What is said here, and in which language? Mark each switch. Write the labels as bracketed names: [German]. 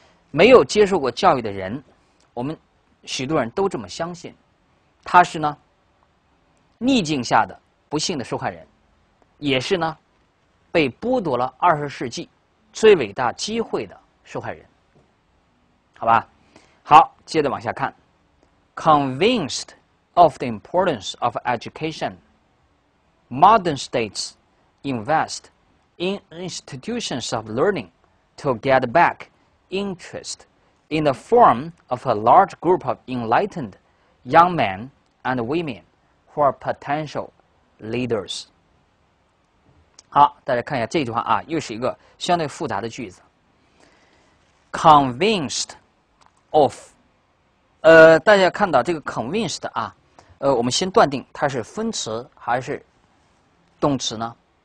[Chinese] 没有接受过教育的人，我们许多人都这么相信，他是呢逆境下的不幸的受害人，也是呢被剥夺了20世纪最伟大机会的受害人，好吧？好，接着往下看。 [English] Convinced of the importance of education, modern states invest in institutions of learning to get back interest in the form of a large group of enlightened young men and women who are potential leaders. [Chinese] 好，大家看一下这句话啊，又是一个相对复杂的句子。 Convinced of大家看到这个 convinced 啊，我们先断定它是分词还是动词呢？